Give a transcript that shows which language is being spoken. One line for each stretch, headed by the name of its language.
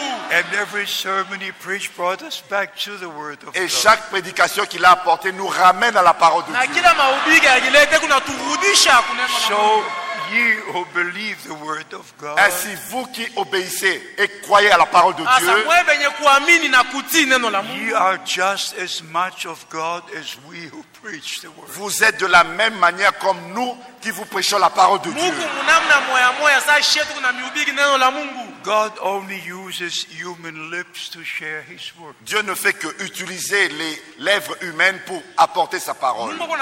English: And every sermon he preached brought us back to the word of God.
French: Et chaque prédication qu'il a apportée nous ramène à la parole de Dieu.
English: So, ye who believe the word of God.
French: Ainsi, vous qui obéissez et croyez à la parole de Dieu,
English: ye are just as much of God as we who preach the word.
French: Vous êtes de la même manière comme nous qui vous prêchons la parole de Dieu.
English: God only uses human lips to share his word.
French: Dieu ne fait que utiliser les lèvres humaines pour apporter sa parole.